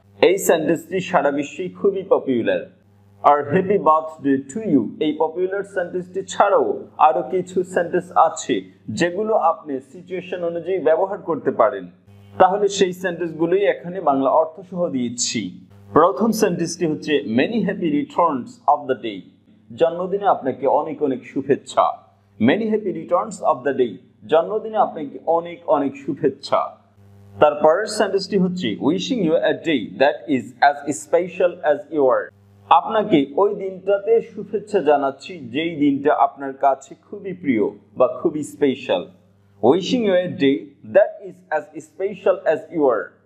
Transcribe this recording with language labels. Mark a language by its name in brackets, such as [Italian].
[Bangla] এই সেন্টেন্সটি সারা বিশ্বে খুবই popular. আর [English] happy birthday to you [Bangla] এই পপুলার সেন্টেন্সটি ছাড়াও আরো কিছু সেন্টেন্স আছে যেগুলো আপনি সিচুয়েশন অনুযায়ী ব্যবহার করতে পারেন। তাহলে সেই সেন্টেন্সগুলোই এখানে বাংলা অর্থ সহ দিচ্ছি। প্রথম সেন্টেন্সটি হচ্ছে [English] many happy returns of the day। [Bangla] জন্মদিনে আপনাকে অনেক অনেক শুভেচ্ছা। [English] Many happy returns of the day. [Bangla] জন্মদিনে আপনাকে অনেক অনেক শুভেচ্ছা। তারপর সেন্টেন্সটি হচ্ছে [English] Wishing you a day that is as special as your. [Bangla] আপনাকে ওই দিনটাতে শুভেচ্ছা জানাচ্ছি যেই দিনটা আপনার কাছে খুবই প্রিয় বা খুবই special. [English] Wishing you a day that is as special as your.